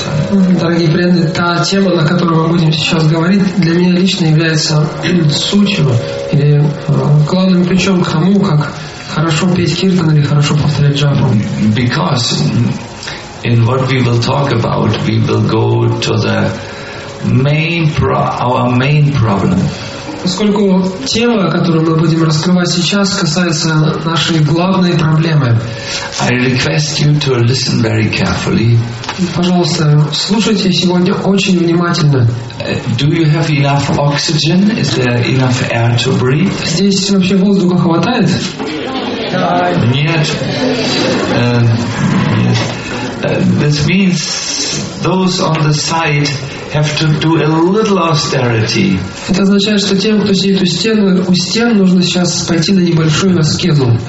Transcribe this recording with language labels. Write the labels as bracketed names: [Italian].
[Russian] Дорогие преданные, та тема, на которую мы будем сейчас говорить, для меня лично является сутью или главным ключом к тому, как хорошо петь киртан или хорошо повторять джапу. [English] Because in what we will talk about, we will go to the main our main problem. [Russian] Поскольку тема, которую мы будем раскрывать сейчас, касается нашей главной проблемы. [English] I request you to listen very carefully. [Russian] Пожалуйста, слушайте сегодня очень внимательно. [English] Do you have enough oxygen? Is there enough air to breathe? [Russian] Здесь вообще воздуха хватает? Нет. [English] This means those on the side have to do a little austerity. [Russian] Это означает, что тем, кто сидит у стен, нужно сейчас пойти на небольшую аскезу.